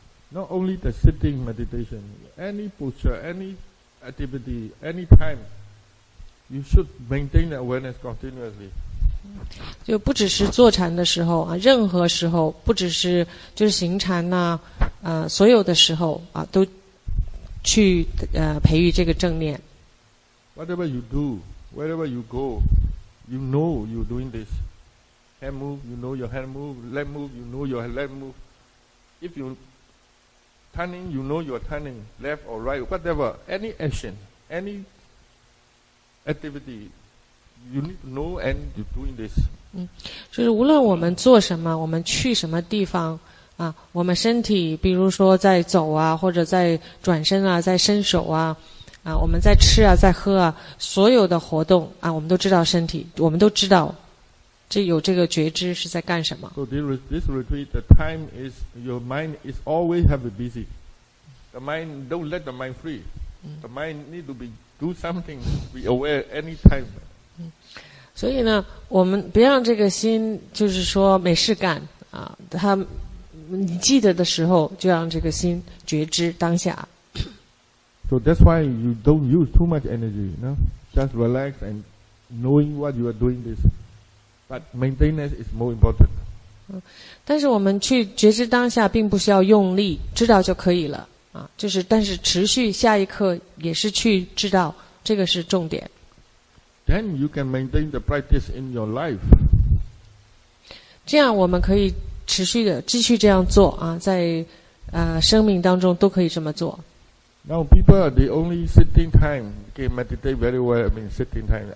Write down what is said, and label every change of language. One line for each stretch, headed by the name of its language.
English: Not only the sitting meditation, any posture, any activity, any time, you should maintain the awareness continuously.
Chinese: 就不只是坐禅的时候啊，任何时候，不只是就是行禅呐、所有的时候啊，都去培育这个正念。
English: Whatever you do, wherever you go, you know you're doing this. Hand move, you know your hand move. Leg move, you know your leg move. If you turning, you know you're turning left or right. Whatever, any action, any activity. You need to know and you're doing this.
Chinese: 就是无论我们做什么，我们去什么地方啊，我们身体，比如说在走啊，或者在转身啊，在伸手啊，啊，我们在吃啊，在喝啊，所有的活动啊，我们都知道身体，我们都知道，这有这个觉知是在干什么。
English: So this retreat, the time is your mind is always have a busy. The mind don't let the mind free. The mind need to be do something, be aware any time.
Chinese: 所以呢，我们别让这个心就是说没事干啊。他，你记得的时候，就让这个心觉知当下。
English: So that's why you don't use too much energy, you know? Just relax and knowing what you are doing this, but maintenance is more important.
Chinese: 但是我们去觉知当下，并不需要用力，知道就可以了啊。就是，但是持续下一刻也是去知道，这个是重点。
English: Then you can maintain the practice in your life.
Chinese: 这样我们可以持续的继续这样做啊，在生命当中都可以这么做。
English: Now people are the only sitting time can meditate very well. I mean sitting time.